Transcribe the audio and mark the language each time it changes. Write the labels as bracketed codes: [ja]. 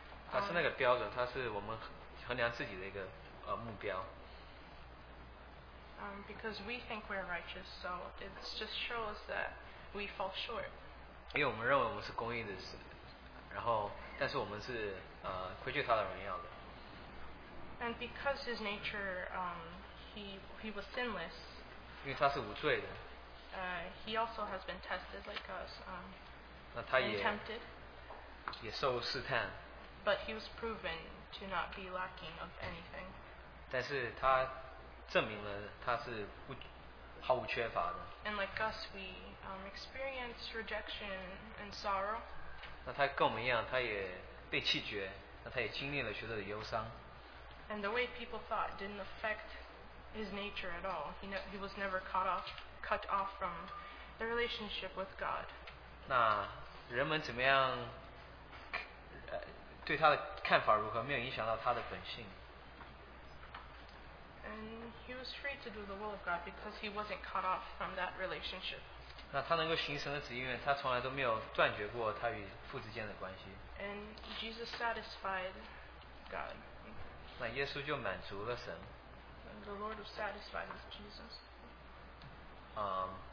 [zh] 他是那个标准，他是我们衡量自己的一个目标。 [en] Because we think we're righteous, so it just shows that we fall short. [zh] 因为我们认为我们是公义的，然后但是我们是亏欠他的荣耀的。 [en] And because his nature, he was sinless. [zh] 因为他是无罪的。 [en] He also has been tested like us. [zh] 那他也 [en] tempted. [zh] 也受试探。 [en] But he was proven to not be lacking of anything. [zh] 但是他证明了他是毫无缺乏的。 [en] And like us, we experience rejection and sorrow. [zh] 那他跟我们一样，他也被弃绝，那他也经历了许多的忧伤。 [en] And the way people thought didn't affect his nature at all. He was never cut off from the relationship with God. [zh] 那人们怎么样？对他的看法如何？没有影响到他的本性。 [en] And he was free to do the will of God because he wasn't cut off from that relationship. [zh] 那他能够行神的旨意，他从来都没有断绝过他与父之间的关系。 [en] And Jesus satisfied God. [zh] 那耶稣就满足了神。 [en] The Lord was satisfied with Jesus.